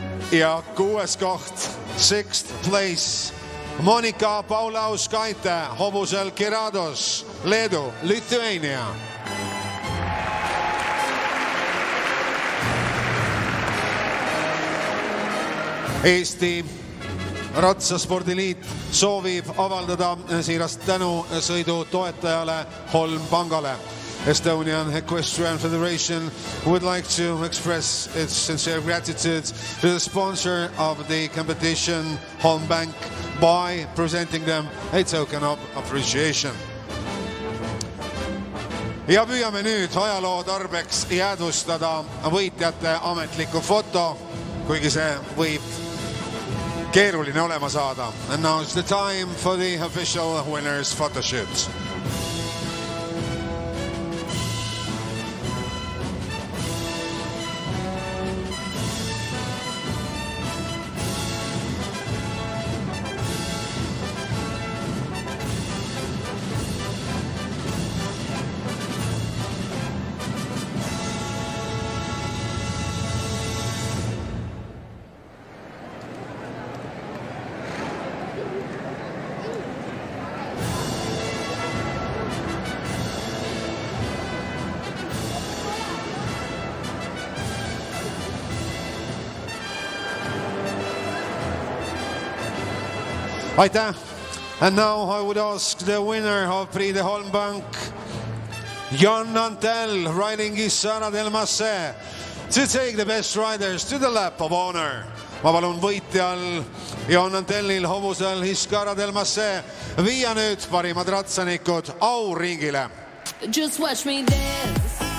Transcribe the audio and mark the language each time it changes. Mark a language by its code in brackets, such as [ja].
[et] Ja kuues koht. [en] Sixth place, [et] Monika Paulauskaite, hovusel Kirados, Leedu, Lithuania. Eesti Ratsaspordiliit soovib avaldada siirast tänu sõidu toetajale Holm Pangale. [en] Estonian Equestrian Federation would like to express its sincere gratitude to the sponsor of the competition, Holm Bank, by presenting them a token of appreciation. [et] Ja püüame nüüd ajaloo tarbeks jäädvustada võitjate ametliku foto, kuigi see võib keeruline olema saada. [en] And now it's the time for the official winner's photo shoot. [et] Aitäh! [en] And now I would ask the winner of Prix de Holmbank, Jan Antel, riding Isara del Masse, to take the best riders to the lap of honor. [et] Ma palun võitjal Jan Antelil hobusel Isara del Masse viia nüüd parimad ratsanikud auringile. [en] Just watch me dance.